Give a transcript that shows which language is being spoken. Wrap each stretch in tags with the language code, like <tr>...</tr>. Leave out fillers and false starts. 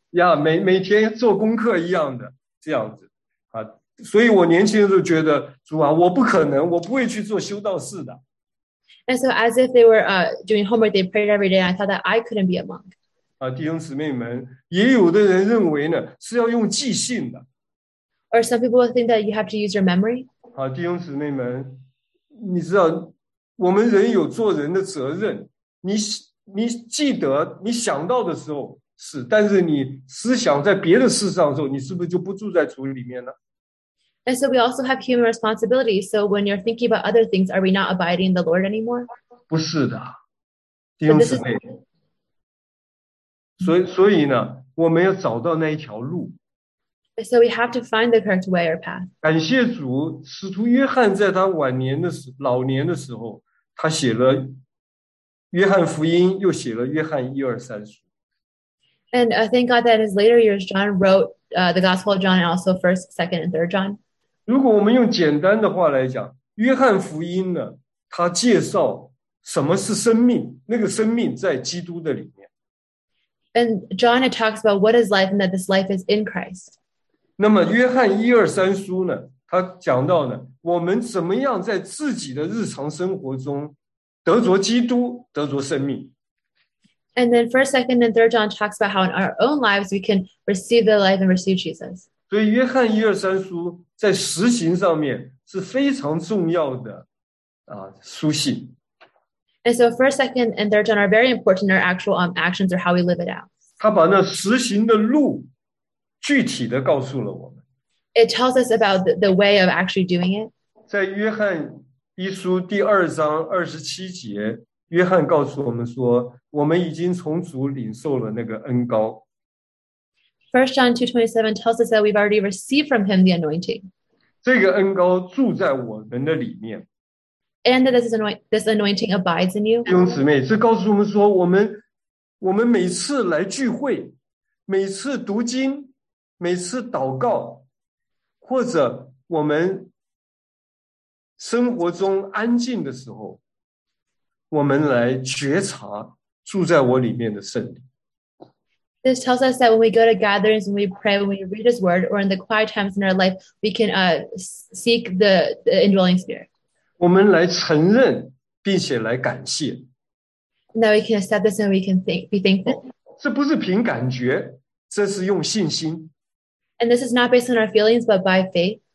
<zh>Yeah, 每天做功课一样的这样子啊，所以我年轻的时候觉得主啊，我不可能，我不会去做修道士的。</zh> <en>And so as if they were doing homework, they prayed every day. I thought that I couldn't be a monk.</en> <zh>弟兄姊妹们，也有的人认为呢，是要用寄信的。</zh> <en>Or some people will think that you have to use your memory.</en> <zh>好，弟兄姊妹们，你知道我们人有做人的责任。你记得你想到的时候是，但是你思想在别的事上的时候，你是不是就不住在主里面了？</zh> <en>And so we also have human responsibility. So when you're thinking about other things, are we not abiding in the Lord anymore?</en> <zh>不是的，弟兄姊妹。所以呢，我们要找到那一条路。</zh> <en>So we have to find the correct way or path.</en> <zh>感谢主，使徒约翰在他晚年的时老年的时候，他写了约翰福音，又写了约翰一二三书。</zh> <en>And thank God that in his later years, John wrote the Gospel of John and also 1st, 2nd, and 3rd John.</en> <zh>如果我们用简单的话来讲，约翰福音呢，他介绍什么是生命，那个生命在基督的里面。</zh> <en>And John talks about what is life and that this life is in Christ.</en> <zh>那么约翰一二三书呢，他讲到呢，我们怎么样在自己的日常生活中得着基督，得着生命。</zh> <en>And then 1st, 2nd, and 3rd John talks about how in our own lives we can receive the life and receive Jesus.</en> <zh>所以约翰一二三书在实行上面是非常重要的书信。</zh> <en>And so 1st, 2nd, and 3rd John are very important in our actual actions or how we live it out.</en> <zh>他把那实行的路具体的告诉了我们。</zh> <en>It tells us about the way of actually doing it.</en> <zh>在约翰一书第二章二十七节，约翰告诉我们说，我们已经从主领受了那个恩膏。</zh> <en>1st John 2:27 tells us that we've already received from him the anointing.</en> <zh>这个恩膏住在我们的里面。</zh> <en>And that this anointing abides in you.</en> <zh>弟兄姊妹，这告诉我们说，我们每次来聚会，每次读经，每次祷告，或者我们生活中安静的时候，我们来觉察住在我里面的圣灵。</zh> <en>This tells us that when we go to gatherings, when we pray, when we read His word, or in the quiet times in our life, we can seek the indwelling Spirit.</en> <zh>我们来承认并且来感谢。</zh> <en>Now we can accept this and we can be thankful.</en> <zh>这不是凭感觉，这是用信心。</zh> <en>And this is not based on our feelings, but by faith.</en>